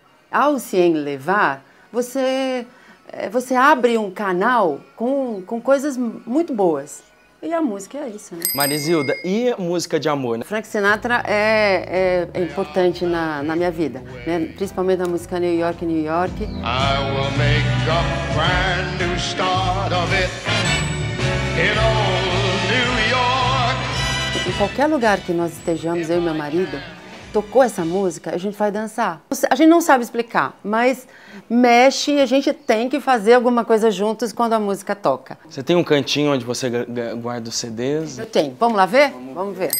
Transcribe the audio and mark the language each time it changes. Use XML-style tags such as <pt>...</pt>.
<pt>Ao se enlevar, você abre um canal com coisas muito boas. E a música é isso, né? Marizilda, e música de amor? Né? Frank Sinatra é importante na minha vida, né? Principalmente na música New York, New York.</pt> <en>I will make a brand new start of it in old New York.</en> <pt>Em qualquer lugar que nós estejamos, eu e meu marido, tocou essa música, a gente vai dançar. A gente não sabe explicar, mas mexe e a gente tem que fazer alguma coisa juntos quando a música toca. Você tem um cantinho onde você guarda os CDs? Eu tenho. Vamos lá ver? Vamos ver.</pt>